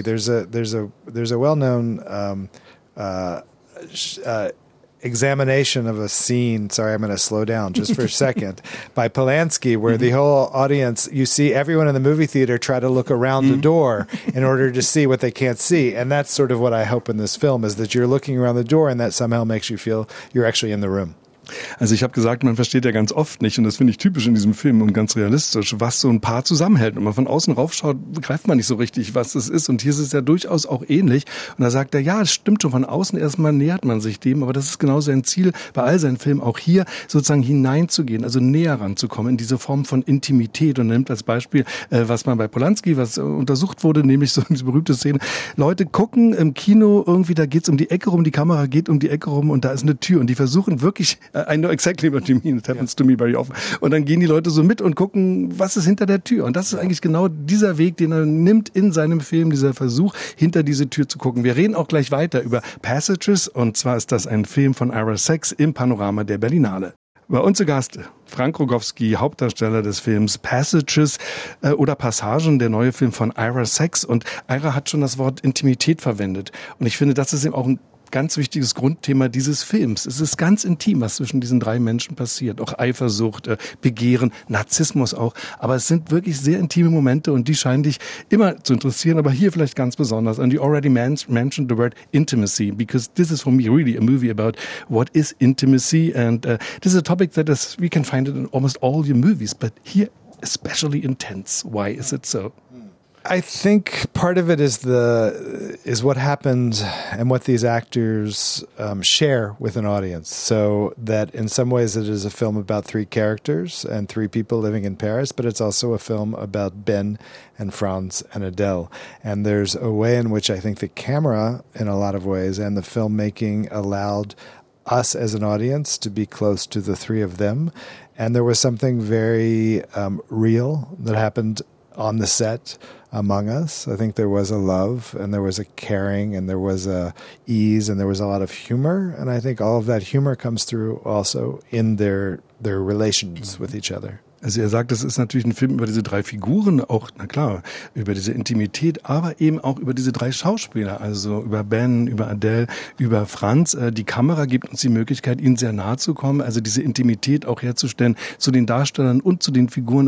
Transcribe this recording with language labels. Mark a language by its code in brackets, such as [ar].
[en] There's a well-known examination of a scene. Sorry, I'm going to slow down just for a second. By Polanski, where the whole audience, you see everyone in the movie theater try to look around the door in order to see what they can't see. And that's sort of what I hope in this film, is that you're looking around the door and that somehow makes you feel you're actually in the room. [de] Also ich habe gesagt, man versteht ja ganz oft nicht, und das finde ich typisch in diesem Film und ganz realistisch, was so ein Paar zusammenhält. Wenn man von außen raufschaut, greift man nicht so richtig, was es ist. Und hier ist es ja durchaus auch ähnlich. Und da sagt er, ja, es stimmt schon, von außen erstmal nähert man sich dem, aber das ist genau sein Ziel bei all seinen Filmen, auch hier sozusagen hineinzugehen, also näher ranzukommen in diese Form von Intimität. Und er nimmt als Beispiel, was man bei Polanski, was untersucht wurde, nämlich so diese berühmte Szene. Leute gucken im Kino irgendwie, da geht's um die Ecke rum, die Kamera geht um die Ecke rum und da ist eine Tür. Und die versuchen wirklich [en] I know exactly what you mean. It happens to me very often. [de] Und dann gehen die Leute so mit und gucken, was ist hinter der Tür. Und das ist eigentlich genau dieser Weg, den er nimmt in seinem Film, dieser Versuch, hinter diese Tür zu gucken. Wir reden auch gleich weiter über Passages. Und zwar ist das ein Film von Ira Sachs im Panorama der Berlinale. Bei uns zu Gast Frank Rogowski, Hauptdarsteller des Films Passages oder Passagen, der neue Film von Ira Sachs. Und Ira hat schon das Wort Intimität verwendet. Und ich finde, das ist eben auch ein ganz wichtiges Grundthema dieses Films. Es ist ganz intim, was zwischen diesen drei Menschen passiert. Auch Eifersucht, Begehren, Narzissmus auch. Aber es sind wirklich sehr intime Momente und die scheinen dich immer zu interessieren. Aber hier vielleicht ganz besonders. [en] And you already mentioned the word intimacy, because this is for me really a movie about what is intimacy. And this is a topic that is, we can find it in almost all your movies, but here especially intense. Why is it so? I think part of it is what happens and what these actors share with an audience. So that in some ways it is a film about three characters and three people living in Paris, but it's also a film about Ben and Franz and Adele. And there's a way in which I think the camera in a lot of ways and the filmmaking allowed us as an audience to be close to the three of them. And there was something very real that happened on the set among us. I think there was a love and there was a caring and there was a ease and there was a lot of humor. And I think all of that humor comes through also in their relations with each other. [de] Also er sagt, das ist natürlich ein Film über diese drei Figuren, auch, na klar, über diese Intimität, aber eben auch über diese drei Schauspieler, also über Ben, über Adele, über Franz. Die Kamera gibt uns die Möglichkeit, ihnen sehr nahe zu kommen, also diese Intimität auch herzustellen zu den Darstellern und zu den Figuren.